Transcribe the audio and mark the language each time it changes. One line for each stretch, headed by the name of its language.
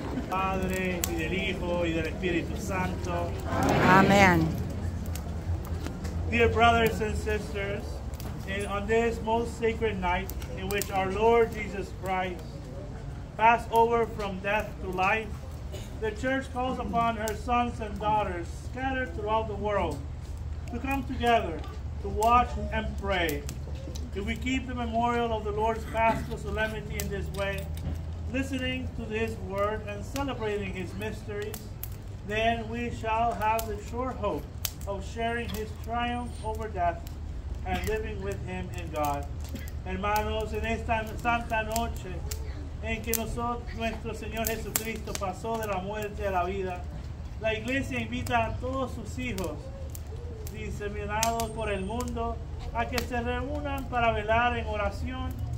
Spanish: Padre y del Hijo y del Espíritu Santo. Amén.
English: Dear brothers and sisters, on this most sacred night in which our Lord Jesus Christ passed over from death to life, the Church calls upon her sons and daughters scattered throughout the world to come together to watch and pray. If we keep the memorial of the Lord's Paschal solemnity in this way, listening to His word and celebrating His mysteries, then we shall have the sure hope of sharing His triumph over death and living with Him in God.
Spanish: Hermanos, en esta santa noche en que nuestro Señor Jesucristo pasó de la muerte a la vida, la Iglesia invita a todos sus hijos diseminados por el mundo a que se reúnan para velar en oración.